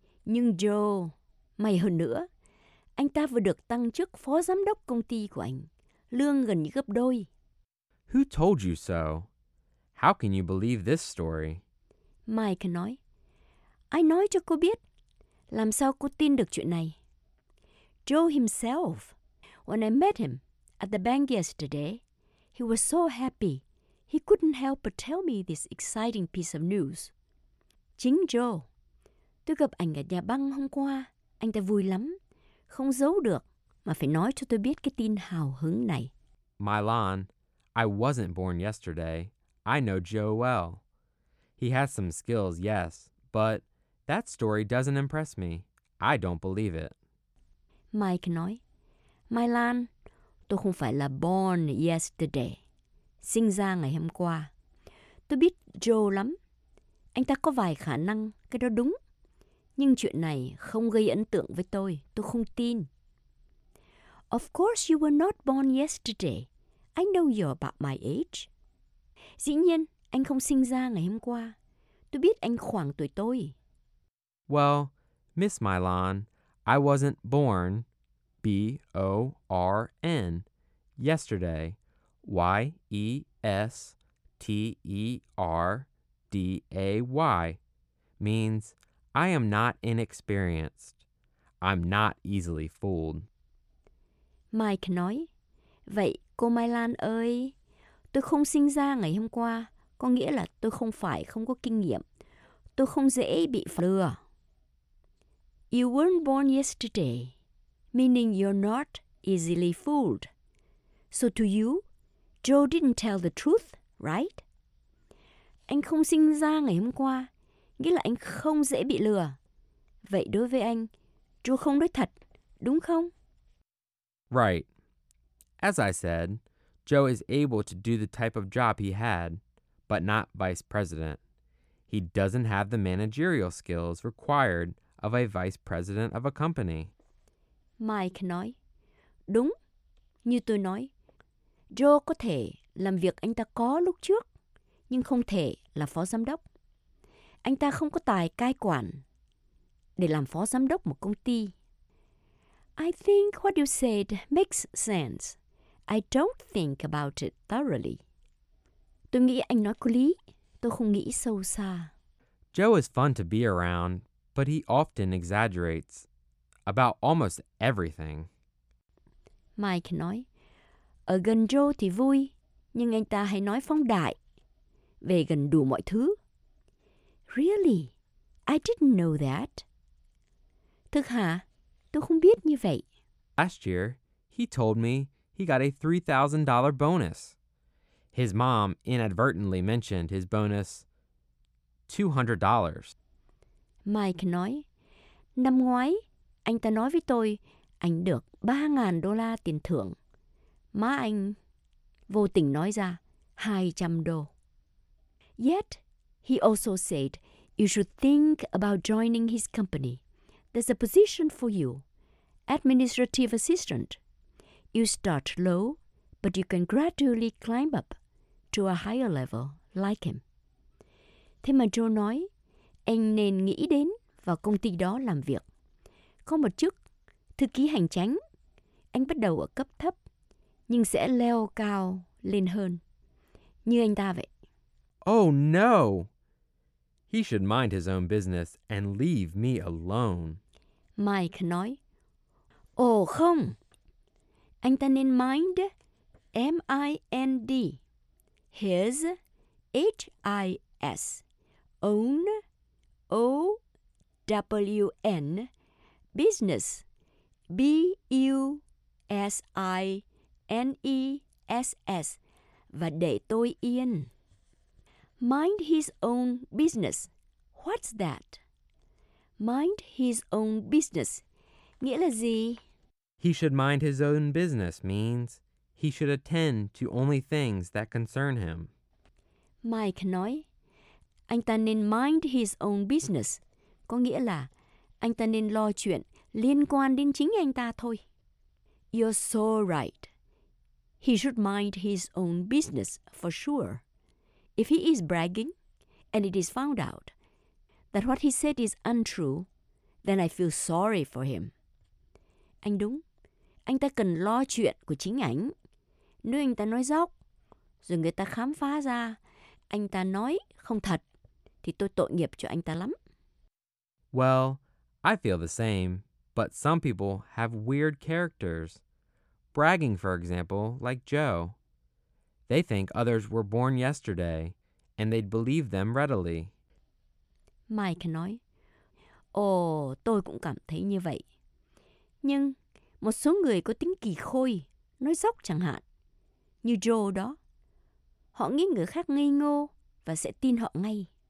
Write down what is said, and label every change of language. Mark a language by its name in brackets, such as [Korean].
[Vietnamese] Nhưng Joe, may hơn nữa, anh ta vừa được tăng chức phó giám đốc công ty của anh, lương gần như gấp đôi. [English] Who told you so? How can you believe this story? [Vietnamese] Mike nói, ai nói cho cô biết? Làm sao cô tin được chuyện này? [English] Joe himself, when I met him at the bank yesterday, he was so happy, he couldn't help but tell me this exciting piece of news. [Vietnamese] Chính Joe, tôi gặp anh ở nhà băng hôm qua, anh ta vui lắm. Không giấu được, mà phải nói cho tôi biết cái tin hào hứng này. [English] Milan, I wasn't born yesterday. I know Joe well. He has some skills, yes, but that story doesn't impress me. I don't believe it. [Vietnamese] Mike nói, Milan, tôi không phải là [English] born yesterday. [Vietnamese] Sinh ra ngày hôm qua. Tôi biết Joe lắm. Anh ta có vài khả năng, cái đó đúng. Nhưng chuyện này không gây ấn tượng với tôi. Tôi không tin. [English] Of course you were not born yesterday. I know you're about my age. [Vietnamese] Dĩ nhiên, anh không sinh ra ngày hôm qua. Tôi biết anh khoảng tuổi tôi. [English] Well, Miss Milan, I wasn't born, B-O-R-N, yesterday, Y-E-S-T-E-R-D-A-Y, means I am not inexperienced. I'm not easily fooled. [Vietnamese] Mike nói, vậy cô Milan ơi, tôi không sinh ra ngày hôm qua, có nghĩa là tôi không phải không có kinh nghiệm. Tôi không dễ bị lừa. [English] You weren't born yesterday, meaning you're not easily fooled. So to you, Joe didn't tell the truth, right? [Vietnamese] Anh không sinh ra ngày hôm qua, nghĩa là anh không dễ bị lừa. Vậy đối với anh, Joe không nói thật, đúng không? [English] Right. As I said, Joe is able to do the type of job he had, but not vice president. He doesn't have the managerial skills required of a vice president of a company. [Vietnamese] Mike nói, đúng, như tôi nói, Joe có thể làm việc anh ta có lúc trước, nhưng không thể là phó giám đốc. Anh ta không có tài cai quản để làm phó giám đốc một công ty. [English] I think what you said makes sense. I don't think about it thoroughly. [Vietnamese] Tôi nghĩ anh nói có lý. Tôi không nghĩ sâu xa. [English] Joe is fun to be around, but he often exaggerates about almost everything. [Vietnamese] Mike nói, ở gần Joe thì vui, nhưng anh ta hay nói phóng đại về gần đủ mọi thứ. [English] Really? I didn't know that. [Vietnamese] Thực hả? Tôi không biết như vậy. [English] Last year, he told me he got a $3,000 bonus. His mom inadvertently mentioned his bonus, $200. [Vietnamese] Mike nói, năm ngoái, anh ta nói với tôi, anh được $3,000 tiền thưởng. Má anh vô tình nói ra, $200. [English] Yet, he also said, you should think about joining his company. There's a position for you, administrative assistant. You start low, but you can gradually climb up to a higher level like him. [Vietnamese] Thế mà Joe nói, anh nên nghĩ đến vào công ty đó làm việc. Có một chức thư ký hành chính, anh bắt đầu ở cấp thấp, nhưng sẽ leo cao lên hơn, như anh ta vậy. [English] Oh no! He should mind his own business and leave me alone. [Vietnamese] Mike nói, ồ không, anh ta nên [English] mind, M-I-N-D, his, H-I-S, own, O-W-N, business, B-U-S-I-N-E-S-S, [Vietnamese] và để tôi yên. [English] Mind his own business. What's that? Mind his own business. [Vietnamese] Nghĩa là gì? [English] He should mind his own business means he should attend to only things that concern him. [Vietnamese] Mike nói, anh ta nên [English] mind his own business. [Vietnamese] Có nghĩa là anh ta nên lo chuyện liên quan đến chính anh ta thôi. [English] You're so right. He should mind his own business for sure. If he is bragging and it is found out that what he said is untrue, then I feel sorry for him. [Vietnamese] Anh đúng. Anh ta cần lo chuyện của chính ảnh. Nếu anh ta nói dóc, rồi người ta khám phá ra anh ta nói không thật, thì tôi tội nghiệp cho anh ta lắm. [English] Well, I feel the same, but some people have weird characters. Bragging, for example, like Joe. They think others were born yesterday, and they'd believe them readily. [Vietnamese] Mike nói, ồ, tôi cũng cảm thấy như vậy. Nhưng một số người có tính kỳ khôi, nói dóc chẳng hạn, như Joe đó. Họ nghĩ người khác ngây ngô và sẽ tin họ ngay.